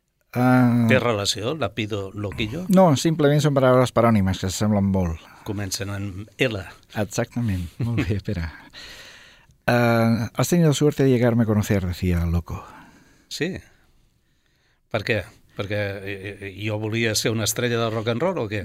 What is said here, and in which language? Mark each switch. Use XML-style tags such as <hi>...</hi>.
<ca>Té relació, Lapido, Loquillo? No, simplement són paraules parònimes que semblen molt. Comencen amb L. Exactament, molt bé, espera.</ca> <es>Has tenido suerte de llegarme a conocer, decía el loco.</es> <ca>Sí? Per què? Perquè jo volia ser una estrella del rock and roll o què?</ca>